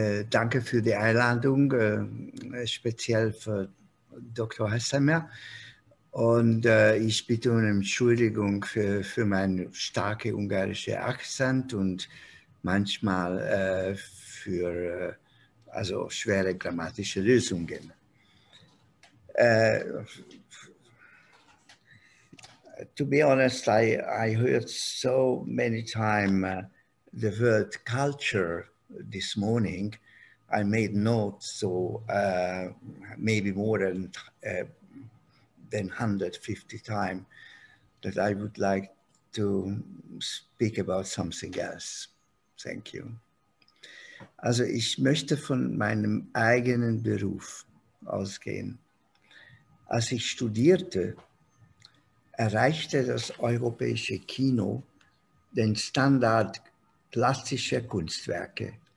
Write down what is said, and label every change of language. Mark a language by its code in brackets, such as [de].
[de] Danke für die Einladung, speziell für Dr. Hassemer. Und ich bitte um Entschuldigung für meinen starken ungarischen Akzent und manchmal für also schwere grammatische Lösungen. [en] To be honest, I heard so many times the word culture this morning. I made notes, so maybe more than 150 times, that I would like to speak about something else. Thank you. [de] Also ich möchte von meinem eigenen Beruf ausgehen. Als ich studierte, erreichte das europäische Kino den Standard klassischer Kunstwerke.